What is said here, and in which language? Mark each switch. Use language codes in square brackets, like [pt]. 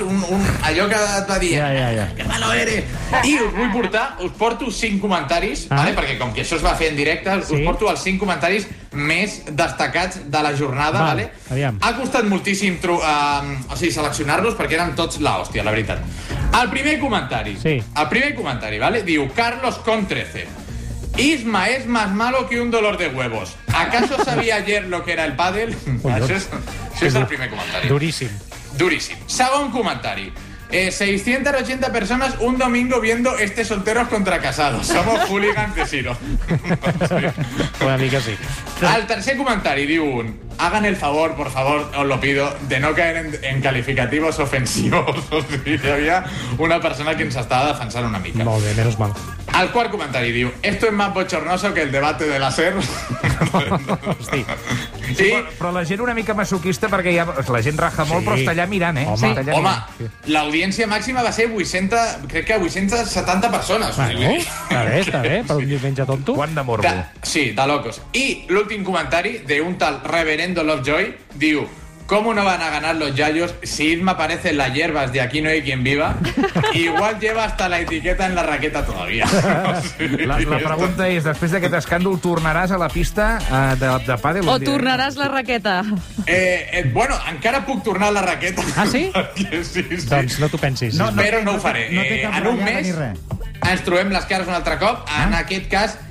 [ca] Un, allò que et va dir, [es] que malo eres. [ca] I us vull portar, us porto 5 comentaris, vale? Perquè com que això es va fer en directe, us porto els 5 comentaris més destacats de la jornada. Vale? Ha costat moltíssim seleccionar-los perquè eren tots l'hòstia, la veritat. El primer comentari. Sí. El primer comentari, vale? Diu Carlos con 13. [es] Isma es más malo que un dolor de huevos. ¿Acaso sabía ayer lo que era el pádel? [ca] Això és el primer comentari. Duríssim. Duríssim. Segon comentari. 680 persones [es] un domingo viendo este solteros contra casados. Somos hooligans de Ciro. [ca] Una mica sí. El tercer comentari diu un... [es] Hagan el favor, por favor, os lo pido, de no caer en calificativos ofensivos. [ca] Hi havia una persona que ens estava defensant una mica. Molt bé, [es] menos mal. [ca] El quart comentari diu... [es] Esto es más bochornoso que el debate de la SER. [ca] Hosti. Sí, però la gent una mica masoquista, perquè ja, la gent raja molt, però està allà mirant, eh? Home, sí. Home, l'audiència màxima va ser 800... Crec que 870 persones. Està bé, però un diumenge tonto. Quant de morbo. Sí, [es] de locos. [ca] I l'últim comentari d'un tal Reverendo Lovejoy diu... [es] ¿Cómo no van a ganar los yayos si Isma aparece en las hierbas de Aquí no hay quien viva? Igual lleva hasta la etiqueta en la raqueta todavía. [ca] La pregunta és, després d'aquest escàndol, tornaràs a la pista de pádel? O tornaràs la raqueta? Bueno, encara puc tornar a la raqueta. Ah, sí? Sí, sí. Doncs no t'ho pensis. No, però no ho faré. En un mes ens trobem les cares un altre cop. En aquest cas...